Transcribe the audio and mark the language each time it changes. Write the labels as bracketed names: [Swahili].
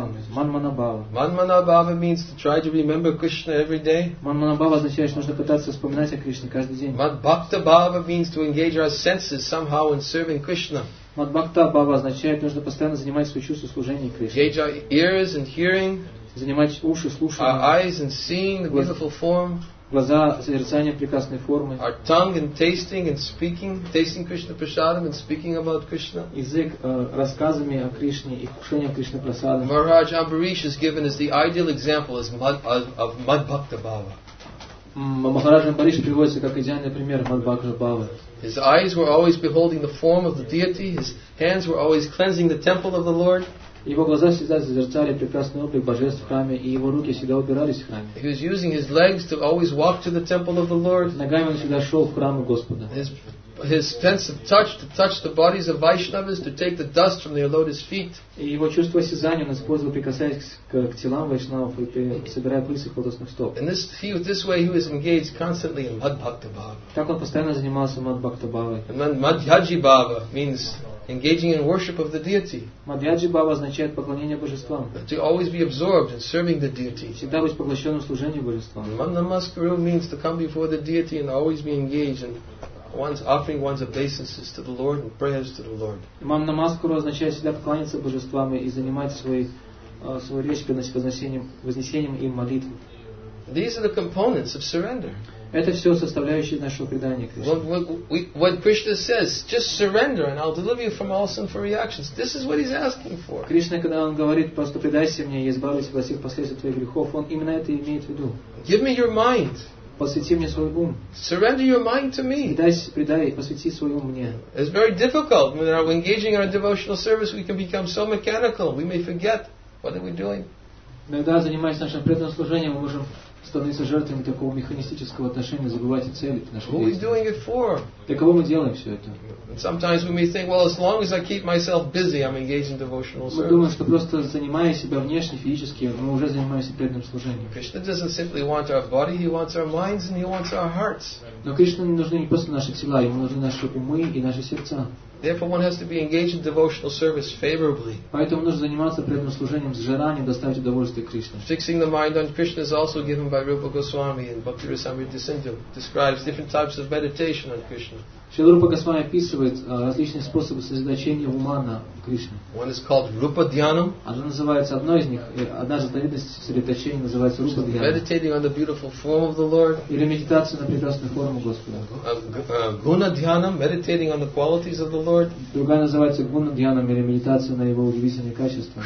[English] Манманабава means to try to remember Krishna every day. [Russian] Манманабава означает, что нужно пытаться вспоминать о Кришне каждый день. [English] Мадбхактабава means to engage our senses somehow in serving Krishna. [Russian] Мадбхактабава означает, нужно постоянно занимать свои чувства служения Кришне. [English] Engage our ears and hearing. [Russian] Занимать уши, слушать. [English] Our eyes and seeing the beautiful form. [Russian] Глаза, созерцание прекрасной формы. [English] Our tongue and tasting and speaking, tasting Krishna prasadam and speaking about Krishna. [Russian] Язык рассказами о Кришне и кушанием Кришна прасада. [English] Maharaj Ambarish is given as the ideal example of Madhbhakta Bhava. [Russian] Maharaj Ambarish приводится как идеальный пример Madhbhakta Bhava. [English] His eyes were always beholding the form of the deity. His hands were always cleansing the temple of the Lord. [Russian] Его глаза всегда созерцали прекрасный облик божеств в храме, и его руки всегда убирались в храме. [English] He was using his legs to always walk to the temple of the Lord. [Russian] Ногами он всегда шел в храм Господа. [English] His his sense of touch to touch the bodies of Vaishnavas, to take the dust from their lotus feet. [Russian] И его чувство осязания он использовал, прикасаясь к телам вайшнавов и собирая пыль с их лотосных стоп. [English] In this way he was engaged constantly in Madhbhaktabhava. [Russian] Так он постоянно занимался Madhbhaktabhava. [English] And then Madhyaji Bhava means engaging in worship of the deity. [Russian] Madhyaji Bhava означает поклонение божествам. [English] To always be absorbed in serving the deity. [Russian] Всегда быть поглощенным служением божествам. [English] Madhnamaskaru means to come before the deity and always be engaged in one's offering one's obeisances to the Lord and prayers to the Lord. [Russian] Маннамаскуру означает всегда поклоняться божествам и занимать свою речь вознесением им молитв. [English] These are the components of surrender. [Russian] Это все составляющие нашего предания Кришне. [English] What Krishna says, just surrender and I'll deliver you from all sinful reactions. This is what he's asking for. [Russian] Кришна, когда он говорит, просто предайся мне, я избавлюсь от всех последствий твоих грехов, он именно это имеет в виду. [English] Give me your mind. [Russian] Посвяти мне свой ум. [English] Surrender your mind to me. [Russian] Предай, посвяти свой ум мне. [English] It's very difficult. When we're engaging in our devotional service, we can become so mechanical. We may forget what are we doing. [Russian] Иногда, занимаясь нашим преданным служением, мы можем становиться жертвами такого механистического отношения, забывать о цели нашего действия. [English] Who are we doing it for? [Russian] Для кого мы делаем все это? [English] And sometimes we may think, well, as long as I keep myself busy, I'm engaged in devotional service. [Russian] Мы думаем, что просто занимая себя внешне, физически, мы уже занимаемся преданным служением. [English] Krishna doesn't simply want our body, he wants our minds and he wants our hearts. [Russian] Но Кришне не нужны не просто наши тела, ему нужны наши умы и наши сердца. [English] Therefore, one has to be engaged in devotional service favorably. [Russian] Поэтому нужно заниматься преданным служением с желанием доставить удовольствие Кришне. [English] Fixing the mind on Krishna is also given by Rupa Goswami in Bhaktirasamrita Sindhu. Describes different types of meditation on Krishna. [Russian] Шрила Рупа Госвами описывает различные способы сосредоточения ума на Кришне. [English] One is called Rupa Dhyanam. [Russian] Одно называется одно из них. Одна из видов сосредоточения называется Rupa Dhyanam. [English] Meditating on the beautiful form of the Lord. [Russian] Или медитация на прекрасную форму Господа. [English] Guna Dhyanam, meditating on the qualities of the Lord. [Russian] Другая называется Guna Dhyanam, или медитация на его удивительные качества.